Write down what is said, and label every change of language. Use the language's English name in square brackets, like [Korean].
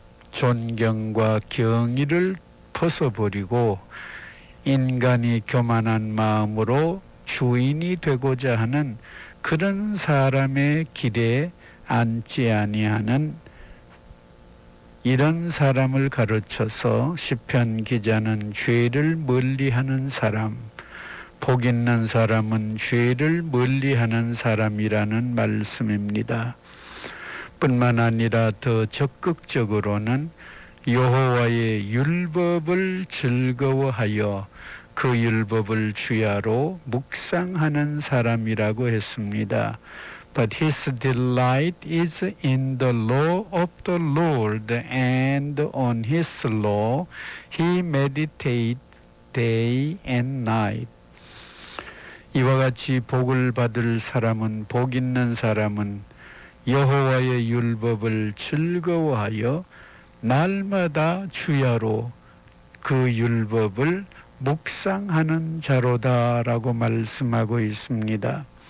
[Korean] 존경과 경의를 벗어버리고 인간이 교만한 마음으로 주인이 되고자 하는 그런 사람의 길에 앉지 아니하는 이런 사람을 가르쳐서 시편 기자는 죄를 멀리하는 사람, 복 있는 사람은 죄를 멀리하는 사람이라는 말씀입니다. 뿐만 아니라 더 적극적으로는 여호와의 율법을 즐거워하여 그 율법을 주야로 묵상하는 사람이라고 했습니다. [English] But his delight is in the law of the Lord, and on his law he meditates day and night. [Korean] 이와 같이 복을 받을 사람은, 복 있는 사람은 여호와의 율법을 즐거워하여 날마다 주야로 그 율법을 묵상하는 자로다 라고 말씀하고 있습니다.